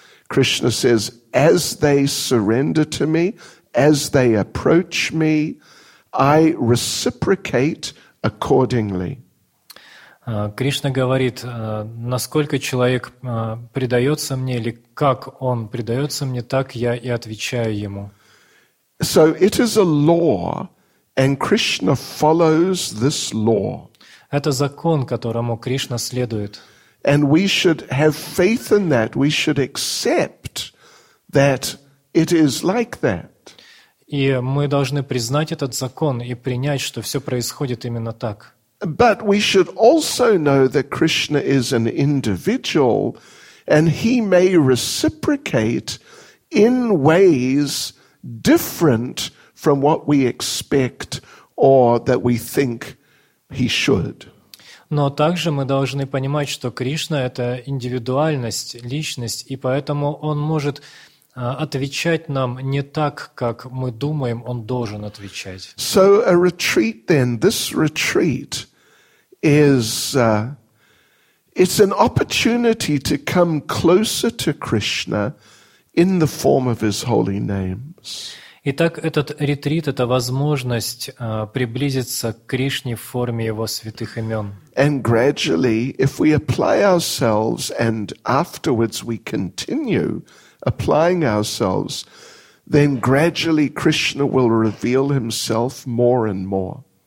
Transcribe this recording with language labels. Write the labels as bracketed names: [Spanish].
[English] Krishna says, as they surrender to me, as they approach me, I reciprocate accordingly. [Russian] Кришна говорит, насколько человек предается мне, или как он предается мне, так я и отвечаю ему. [English] So it is a law, and Krishna follows this law. [Russian] Это закон, которому Кришна следует. [English] And we should have faith in that. We should accept that it is like that. [Russian] И мы должны признать этот закон и принять, что все происходит именно так. [English] But we should also know that Krishna is an individual, and he may reciprocate in ways different from what we expect or that we think he should. [Russian] Но также мы должны понимать, что Кришна — это индивидуальность, личность, и поэтому он может отвечать нам не так, как мы думаем, он должен отвечать. [English] So a retreat then, this retreat is it's an opportunity to come closer to Krishna in the form of his holy names. [Russian] Итак, этот ретрит — это возможность приблизиться к Кришне в форме его святых имен. [English] And gradually, if we apply ourselves and afterwards we continue applying ourselves, then gradually Krishna will reveal himself more and more.